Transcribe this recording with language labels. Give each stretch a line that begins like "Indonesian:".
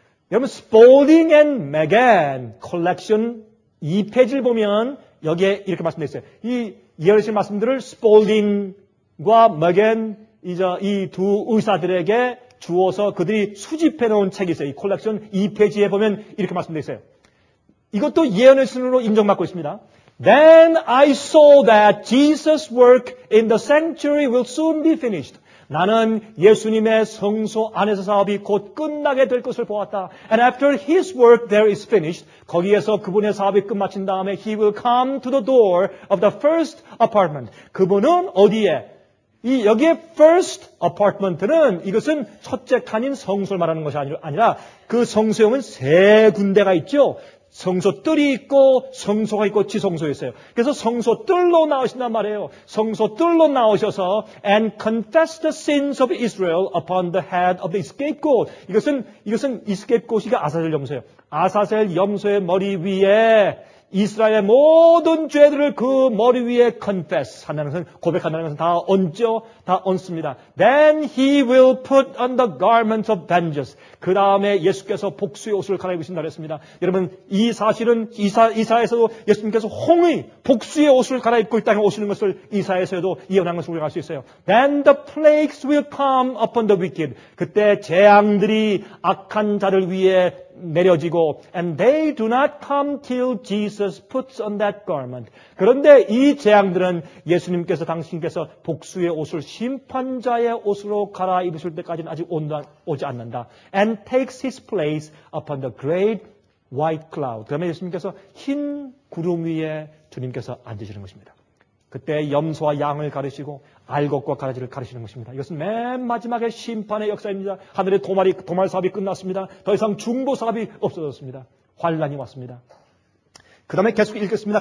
Korean: 여러분, Spalding and Magan Collection 2페이지를 보면 여기에 이렇게 말씀되어 있어요. 이 이해하실 말씀들을 Spalding과 Magan 이제 이 두 의사들에게 주어서 그들이 수집해 놓은 책이 있어요. 이 콜렉션 2페이지에 보면 이렇게 말씀되어 있어요. 이것도 예언의 순으로 인정받고 있습니다.
English: Then I saw that Jesus' work in the sanctuary will soon be finished.
Korean: 나는 예수님의 성소 안에서 사업이 곧 끝나게 될 것을 보았다.
English: And after his work there is finished,
Korean: 거기에서 그분의 사업이 끝마친 다음에
English: he will come to the door of the first apartment.
Korean: 그분은 어디에? 이 여기에 first apartment는 이것은 첫째 칸인 성소를 말하는 것이 아니라 그 성소에 오면 세 군데가 있죠. 성소뜰이 있고 성소가 있고 지성소에 있어요. 그래서 성소뜰로 나오신단 말이에요. 성소뜰로 나오셔서
English: and confess the sins of Israel upon the head of the scapegoat.
Korean: 이것은 scapegoat이가 아사셀 염소예요. 아사셀 염소의 머리 위에 이스라엘의 모든 죄들을 그 머리 위에 confess 한다는 것은 고백한다는 것은 다 얹죠? 다 얹습니다.
English: Then he will put on the garment of vengeance.
Korean: 그 다음에 예수께서 복수의 옷을 갈아입으신다 그랬습니다. 여러분, 이 사실은 이사야에서도 예수님께서 홍의 복수의 옷을 갈아입고 이 땅에 오시는 것을 이사야에서도 예언한 것을 우리가 알 수 있어요.
English: Then the plagues will come upon the wicked.
Korean: 그때 재앙들이 악한 자를 위해 내려지고
English: and they do not come till Jesus puts on that garment.
Korean: 그런데 이 재앙들은 예수님께서 당신께서 복수의 옷을 심판자의 옷으로 갈아입으실 때까지는 아직 오지 않는다.
English: And takes his place upon the great white cloud.
Korean: 그러면 예수님께서 흰 구름 위에 주님께서 앉으시는 것입니다. 그때 염소와 양을 가르시고 알곡과 가라지를 가르치는 것입니다. 이것은 맨 마지막에 심판의 역사입니다. 하늘의 도말 사업이 끝났습니다. 더 이상 중보 사업이 없어졌습니다. 환란이 왔습니다. 그 다음에 계속 읽겠습니다.